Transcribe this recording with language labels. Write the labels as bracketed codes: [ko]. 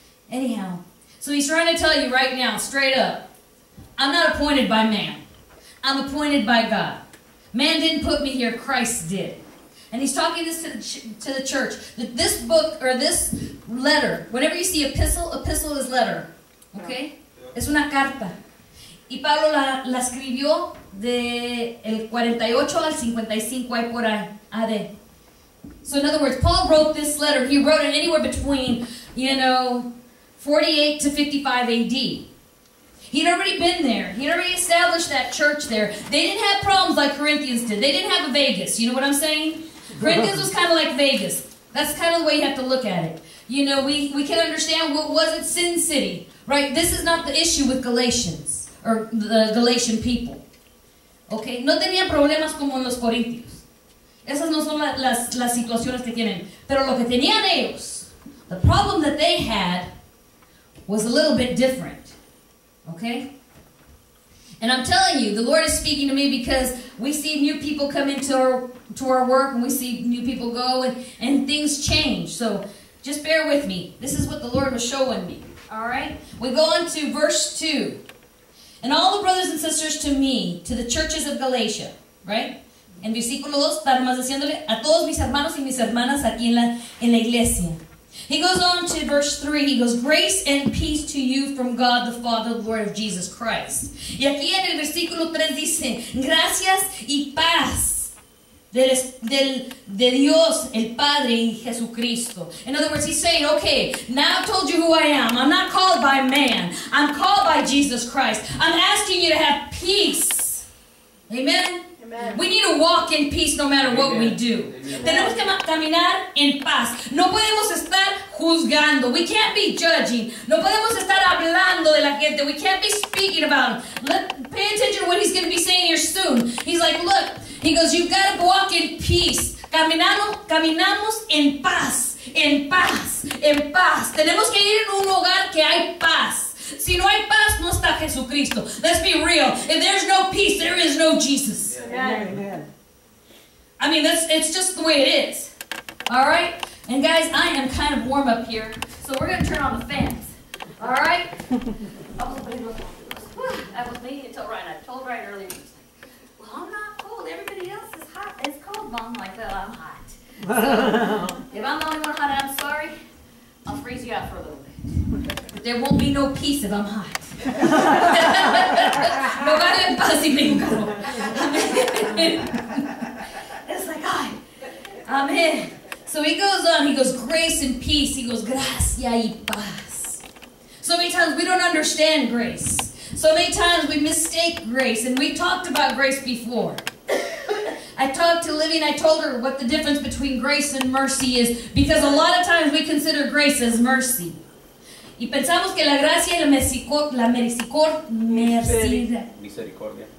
[en] Anyhow, so he's trying to tell you right now, straight up, I'm not appointed by man. I'm appointed by God. Man didn't put me here, Christ did. And he's talking this to the church. That this book, or this letter, whenever you see epistle is letter. [es] Okay? Es una carta. Y Pablo la escribió de el 48 al 55, ahí por AD. [en] So in other words, Paul wrote this letter. He wrote it anywhere between, you know, 48 to 55 AD. He'd already been there. He'd already established that church there. They didn't have problems like Corinthians did. They didn't have a Vegas. You know what I'm saying? Corinthians was kind of like Vegas. That's kind of the way you have to look at it. You know, we can understand what wasn't Sin City, right? This is not the issue with Galatians, or the Galatian people. Okay? [es] No tenían problemas como los Corintios. Esas no son las situaciones que tienen. Pero lo que tenían ellos, [en] the problem that they had was a little bit different. Okay? And I'm telling you, the Lord is speaking to me because we see new people come into our work, and we see new people go, and things change. So Just bear with me. This is what the Lord was showing me. All right? We go on to verse 2. And all the brothers and sisters to me, to the churches of Galatia. Right? [es] En versículo 2, está más diciéndole a todos mis hermanos y mis hermanas aquí en la iglesia. [en] He goes on to verse 3. He goes, grace and peace to you from God the Father, the Lord of Jesus Christ. [es] Y aquí en el versículo 3 dice, gracias y paz de Dios, el Padre y Jesucristo. [en] In other words, he's saying, okay, now I've told you who I am. I'm not called by man. I'm called by Jesus Christ. I'm asking you to have peace. Amen? We need to walk in peace no matter what we do. [es] Tenemos que caminar en paz. No podemos estar juzgando. [en] We can't be judging. [es] No podemos estar hablando de la gente. [en] We can't be speaking about them. Pay attention to what he's going to be saying here soon. He's like, look, he goes, you've got to walk in peace. [es] Caminamos en paz. En paz. En paz. Tenemos que ir en un hogar que hay paz. Si no hay paz, no está Jesucristo. [en] Let's be real. If there's no peace, there is no Jesus. Amen. I mean, it's just the way it is. All right? And guys, I am kind of warm up here, so we're going to turn on the fans. All right? I was waiting until Ryan. I told Ryan earlier, he's like, well, I'm not cold. Everybody else is hot. It's cold, but I'm like, oh, I'm hot. So, if I'm the only one hot, I'm sorry. I'll freeze you out for a little bit. There won't be no peace if I'm hot. [es] No va a haber paz si me encargo. [en] It's like, ay, amen. So he goes on, he goes, grace and peace. He goes, [es] gracia y paz. [en] So many times we don't understand grace. So many times we mistake grace, and we talked about grace before. I talked to Livy and I told her what the difference between grace and mercy is, because a lot of times we consider grace as mercy. [es] Y pensamos que la gracia y la misericordia.